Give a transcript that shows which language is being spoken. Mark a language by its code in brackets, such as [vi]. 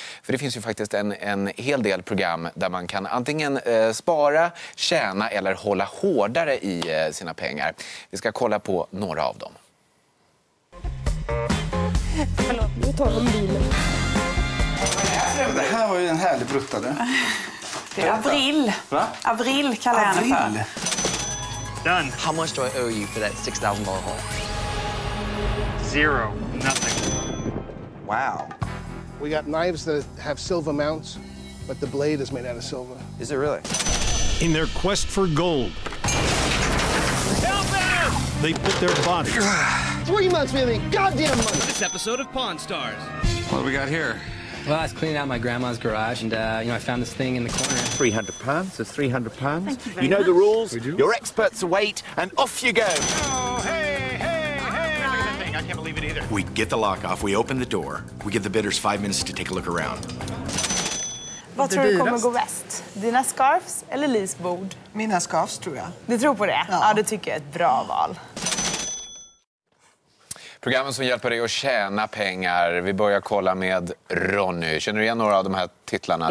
[sv] För det finns ju faktiskt en hel del program där man kan antingen spara, tjäna eller hålla hårdare i sina pengar. Vi ska kolla på några av dem. Förlåt, nu tar vi bilen. Det här var ju en härlig bruttare. Det är april. Va? April kallar jag henne för. [en] Done. How much do I owe you for that $6,000 hole? Zero. Nothing. Wow. We got knives that have silver mounts, but the blade is made out of silver. Is it really? In their quest for gold. Help them! They put their bodies. 3 months for the goddamn money. This episode of Pawn Stars. What do we got here? Well, I was cleaning out my grandma's garage, and I found this thing in the corner. £300. It's £300. Thank you very You know much. The rules. Your experts await, and off you go. Oh, hey, look at that thing! I can't believe it either. We get the lock off. We open the door. We give the bidders 5 minutes to take a look around. [sv] Vad tror du kommer gå bäst? Dina scarfs eller Lis bord? Mina scarfs, tror jag. Du tror på det? Ja, det tycker jag är ett bra val. Programmen som hjälper dig att tjäna pengar. Vi börjar kolla med Ronny. Känner du igen några av de här titlarna?